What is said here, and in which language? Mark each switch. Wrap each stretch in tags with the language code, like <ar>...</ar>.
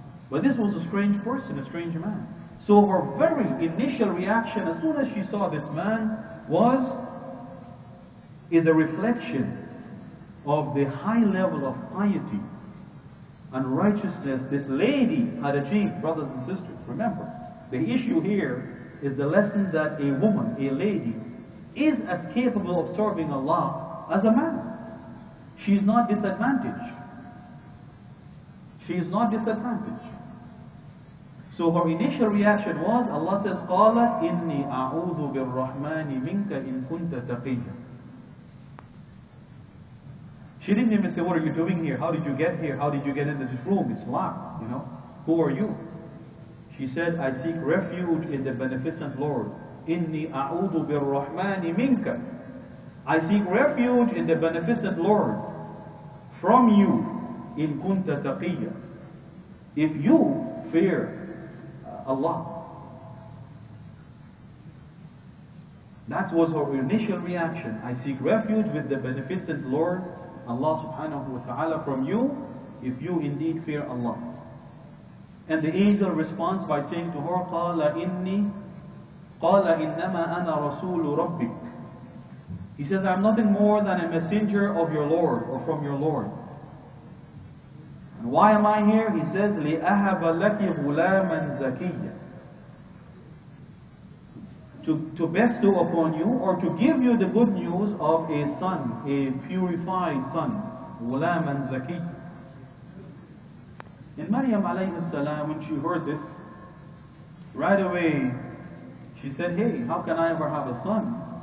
<en>But this was a strange person, a strange man. So her very initial reaction as soon as she saw this man is a reflection of the high level of piety and righteousness this lady had achieved, brothers and sisters. Remember, the issue here is the lesson that a woman, a lady, is as capable of serving Allah as a man. She's not disadvantaged. She's not disadvantaged. So her initial reaction was, Allah says,</en> <ar>قَالَ إِنِّي أَعُوذُ بِالرَّحْمَنِ مِنْكَ إِن كُنْتَ تَقِيًّا.</ar> <en>She didn't even say, what are you doing here? How did you get here? How did you get into this room? It's locked, you know. Who are you? She said, I seek refuge in the beneficent Lord.</en> <ar>Inni a'udhu bir-Rahmani minka.</ar> <en>I seek refuge in the beneficent Lord from you,</en> <ar>in kunta taqiyya,</ar> <en>if you fear Allah. That was her initial reaction. I seek refuge with the beneficent Lord, Allah subhanahu wa ta'ala, from you, if you indeed fear Allah. And the angel responds by saying to her,</en> <ar>qala inni. قَالَ إِنَّمَا أَنَا رَسُولُ رَبِّكَ.</ar> <en>He says, I'm nothing more than a messenger of your Lord, or from your Lord. And why am I here? He says,</en> <ar>لِأَهَبَ لَكِ غُلَامًا زَكِيًّا.</ar> <en>To bestow upon you, or to give you the good news of a son, a purified son.</en> <ar>غُلَامًا زَكِيًّا.</ar> <en>And Maryam alayhi salam, when she heard this, right away, she said, hey, how can I ever have a son?</en>